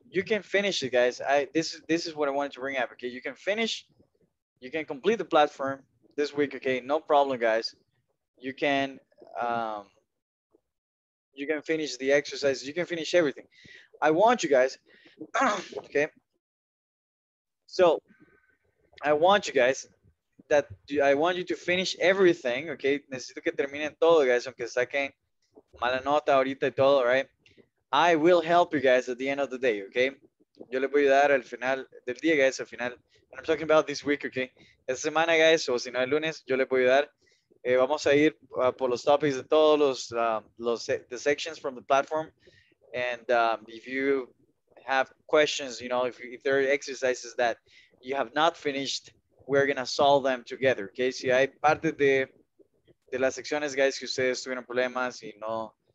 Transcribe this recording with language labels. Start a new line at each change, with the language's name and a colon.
English: You can finish it, guys. This is what I wanted to bring up, okay? You can finish, you can complete the platform this week, okay? No problem, guys. You can finish the exercises, you can finish everything. I want you guys, okay? So, I want you to finish everything, okay?
Spanish: Necesito que terminen todo, guys, aunque saquen mala nota ahorita y todo, right?
English: I will help you guys at the end of the day, okay?
Spanish: Yo les voy a ayudar al final del día, guys, al final.
English: And I'm talking about this week, okay?
Spanish: Esta semana, guys, o si no el lunes, yo les voy a ayudar. Vamos a ir por los topics de todos los
English: sections from the platform. And if you have questions, you know, if there are exercises that you have not finished, we're going to solve them together, okay?
Spanish: Si hay parte de las secciones, guys, que ustedes tuvieron problemas y no